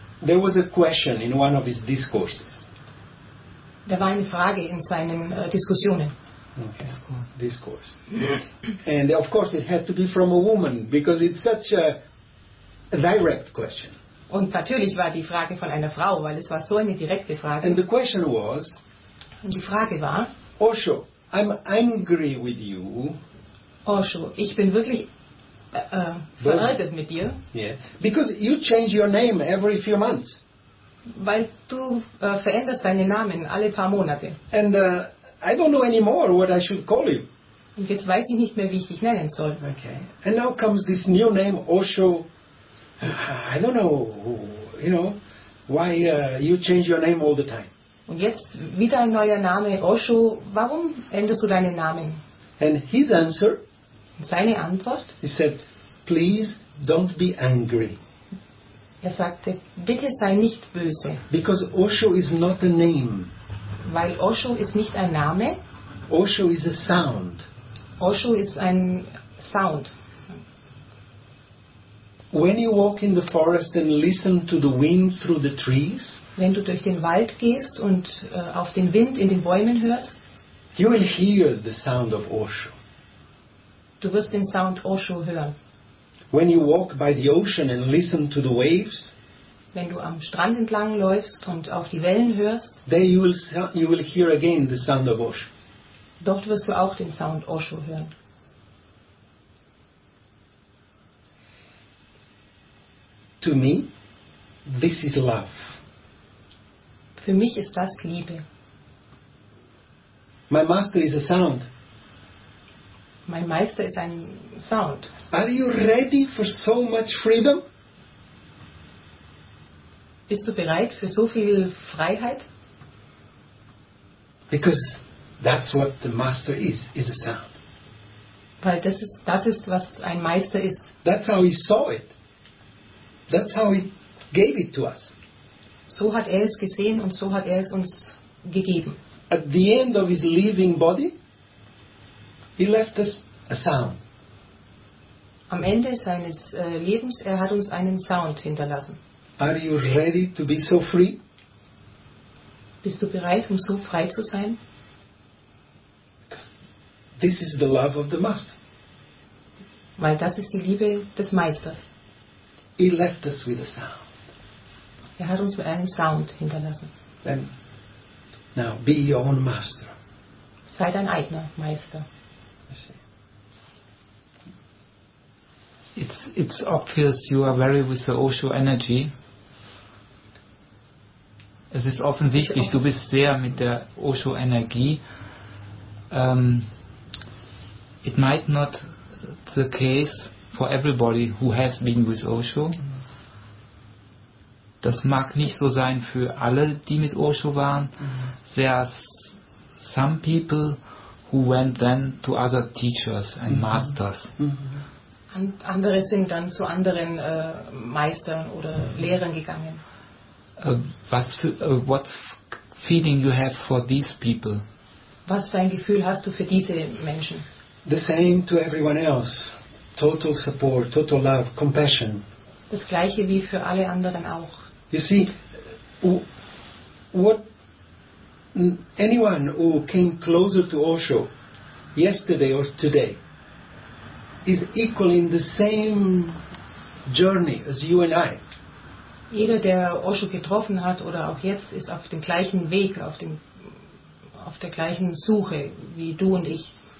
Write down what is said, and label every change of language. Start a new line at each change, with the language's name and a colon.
English: there was a question in one of his discourses.
German: Da war eine Frage in seinen Diskussionen.
English: Okay. Discourse. And of course it had to be from a woman because it's such a direct question.
German: Und natürlich war die Frage von einer Frau, weil es war so eine direkte Frage.
English: And the question was,
German: und die Frage war,
English: Osho, I'm angry with you.
German: Osho, ich bin wirklich verärgert mit dir.
English: Yeah. Because you change your name every few months.
German: Weil du veränderst deinen Namen alle paar Monate.
English: And I don't know anymore what I should call you.
German: Und jetzt weiß ich nicht mehr, wie ich dich nennen soll.
English: Okay. And now comes this new name, Osho. I don't know, you know, why you change your name all the time.
German: Und jetzt wieder ein neuer Name, Osho. Warum änderst du deinen Namen?
English: And his answer.
German: Seine Antwort.
English: He said, please don't be angry.
German: Er sagte, bitte sei nicht böse.
English: Because Osho is not a name.
German: Weil Osho ist nicht ein Name.
English: Osho is a sound.
German: Osho ist ein Sound.
English: When you walk in the forest and listen to the wind through the trees,
German: wenn du durch den Wald gehst und auf den Wind in den Bäumen hörst,
English: you will hear the sound of Osho.
German: Du wirst den Sound Osho hören.
English: When you walk by the ocean and listen to the waves,
German: wenn du am Strand entlang läufst und auf die Wellen hörst,
English: there you will hear again the sound of Osho.
German: Dort wirst du auch den Sound Osho hören.
English: To me, this is love.
German: Für mich ist das Liebe.
English: My master is a sound.
German: Mein Meister ist ein Sound.
English: Are you ready for so much freedom?
German: Bist du bereit für so viel Freiheit?
English: Because that's what the master is a sound.
German: Weil das ist, was ein Meister ist.
English: That's how he saw it. That's how he gave it to us.
German: So hat er es gesehen und so hat er es uns gegeben.
English: At the end of his living body, he left us a sound.
German: Am Ende seines Lebens, er hat uns einen Sound hinterlassen.
English: Are you ready to be so free?
German: Bist du bereit, um so frei zu sein?
English: Because this is the love of the master.
German: Weil das ist die Liebe des Meisters.
English: He left us with a sound.
German: Er hat uns mit einem Sound hinterlassen.
English: Then, now be your own master.
German: Sei dein eigener Meister.
English: It's obvious you are very with the Osho energy.
German: Es ist offensichtlich, du bist sehr mit der Osho-Energie.
English: It might not be the case for everybody who has been with Osho.
German: Das mag nicht so sein für alle, die mit Osho waren.
English: There are some people who went then to other teachers and masters.
German: Und andere sind dann zu anderen Meistern oder Lehrern gegangen. Was für,
English: what feeling you have for these people?
German: Was für ein Gefühl hast du für diese Menschen?
English: The same to everyone else. Total support, total love, compassion.
German: Das gleiche wie für alle anderen auch.
English: You see, what anyone who came closer to Osho yesterday or today is equal in the same journey as you and I.
German: Jeder, der Osho getroffen hat oder auch jetzt, ist auf dem gleichen Weg, auf dem, auf der gleichen Suche wie du und ich.